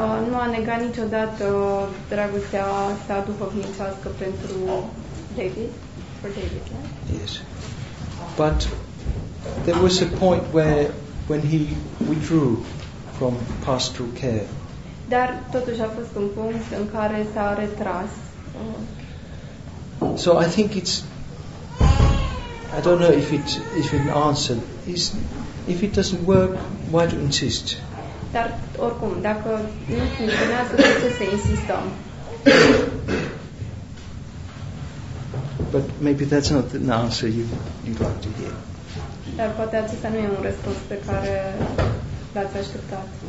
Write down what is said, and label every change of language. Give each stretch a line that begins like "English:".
Romanian: Nu a negat niciodată dragostea sa duhovnicească pentru David,
English: for David. Yeah? Yes. But there was a point where when he withdrew from pastoral care.
Romanian: Dar totuși a fost un punct în care s-a retras.
English: So I think it's, I don't know if it an answer is, if it doesn't work, why to insist?
Romanian: Dar oricum, dacă nu funcționează, de ce să insistăm?
English: But maybe that's not the answer you'd like to hear.
Romanian: Dar poate acesta nu e un răspuns pe care l-ați așteptat.